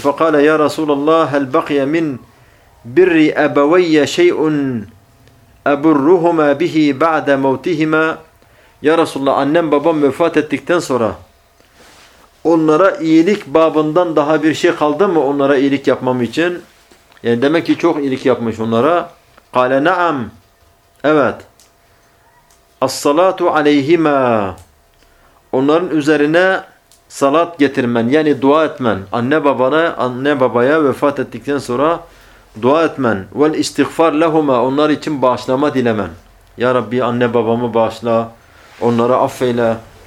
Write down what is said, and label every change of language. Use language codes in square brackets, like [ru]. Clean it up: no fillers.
[ar] فَقَالَ يَا رَسُولَ اللّٰهِ هَلْ بَقِيَ مِنْ بِرِّ أَبَوَيَّ شَيْءٌ أَبُرُّهُمَا بِهِ بَعْدَ مَوْتِهِمَا. [tr] Ya Resulullah, annem babam vefat ettikten sonra onlara iyilik babından daha bir şey kaldı mı onlara iyilik yapmam için? Yani demek ki çok iyilik yapmış onlara. [ar] قال نعم [tr] evet. [ar] As-salatu aleyhima. [tr] Onların üzerine salat getirmen, yani dua etmen. Anne babaya vefat ettikten sonra dua etmen. [ar] Vel istiğfar lehuma. [tr] Onlar için bağışlama dilemen. Ya Rabbi anne babamı bağışla. Onları affeyle.